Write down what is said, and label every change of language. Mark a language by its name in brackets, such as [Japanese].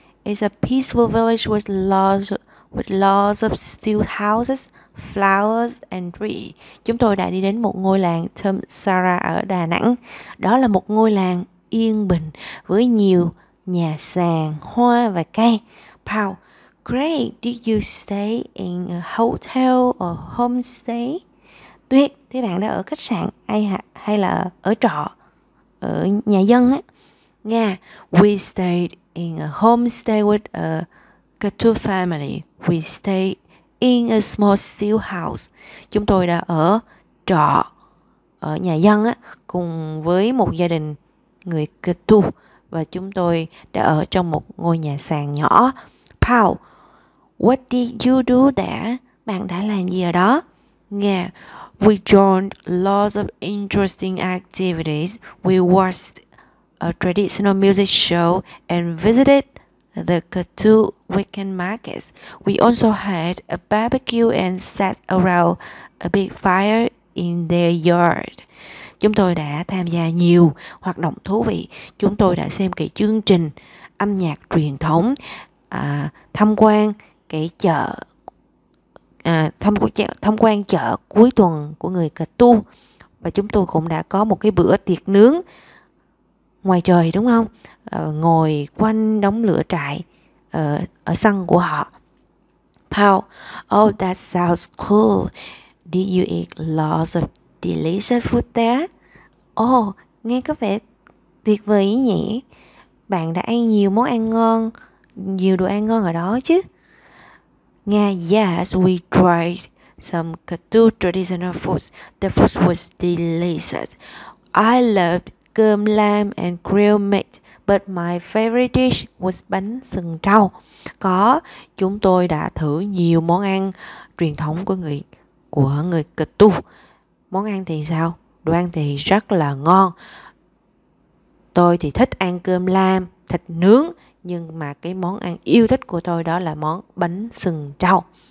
[English] It's a peaceful village with lots of steel houses, flowers and trees. [Vietnamese] Chúng tôi đã đi đến một ngôi làng Tham Sar ở Đà Nẵng. Đó là một ngôi làng yên bình với nhiều nhà sàn, hoa và cây. [English] Pao, great, did you stay in a hotel or homestay? [Vietnamese] Tuyết, thế bạn đã ở khách sạn hay là ở trọ, ở nhà dân á? [English] Nga, we stayed in a homestay with a Gatu family. We stayed in a small steel house. [Vietnamese] Chúng tôi đã ở trọ, ở nhà dân á, cùng với một gia đình người Gatu. Và chúng tôi đã ở trong một ngôi nhà sàn nhỏ. Pao, [English] what did you do there? [Vietnamese] Bạn đã làm gì ở đó? [English] Nga, we joined lots of interesting activities. We watched a traditional music show and visited the Gatu weekend markets. We also had a barbecue and sat around a big fire in their yard. [Vietnamese] Chúng tôi đã tham gia nhiều hoạt động thú vị. Chúng tôi đã xem cái chương trình âm nhạc truyền thống, tham quan chợ cuối tuần của người Gatu, và chúng tôi cũng đã có một cái bữa tiệc nướng ngoài trời, đúng không? Ngồi quanh đống lửa trại ở sân của họ. [English] Pao, oh, that sounds cool. Did you eat lots of delicious food there? [Vietnamese] Oh, nghe có vẻ tuyệt vời nhỉ? Bạn đã ăn nhiều món ăn ngon, nhiều đồ ăn ngon ở đó chứ? [English] Nga, yes, we tried some Gatu traditional foods. The food was delicious. I loved gom lam and grilled meat, but my favorite dish was bánh sừng trâu. [Vietnamese] Có, chúng tôi đã thử nhiều món ăn truyền thống của người Gatu. Món ăn thì sao? Đồ ăn thì rất là ngon. Tôi thì thích ăn cơm lam, thịt nướng, nhưng mà cái món ăn yêu thích của tôi đó là món bánh sừng trâu.